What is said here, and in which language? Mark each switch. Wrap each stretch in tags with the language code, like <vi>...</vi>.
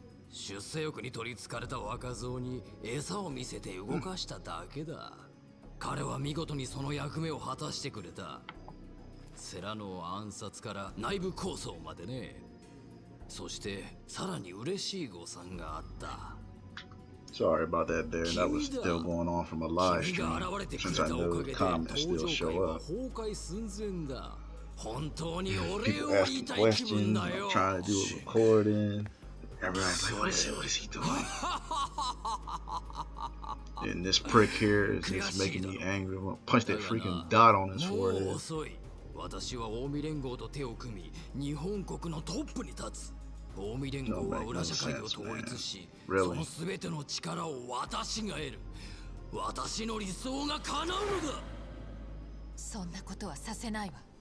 <ja>出世欲に取り憑かれた若造に餌を見せて動かしただけだ、うん、彼は見事にその役目を果たしてくれた。セラの暗殺から内部抗争までね。そしてさらに嬉しい誤算があった。</ja> <en>Sorry about that there. That was still going on from a live stream.</en> <ja>君が現れてくれたおかげで登場会は崩壊寸前だ。本当にお礼を言いたい気分だよ。</ja> <en>People asking questions, trying to do a recording. Everyone's like, what is he doing? And this prick here is just making me angry. Punch that freaking dot on his forehead.</en> <ja>私は近江連合と手を組み、日本国のトップに立つ。近江連合は裏社会を統一し、その全ての力を私が得る。私の理想が叶うのだ。そんなことはさせないわ。</ja>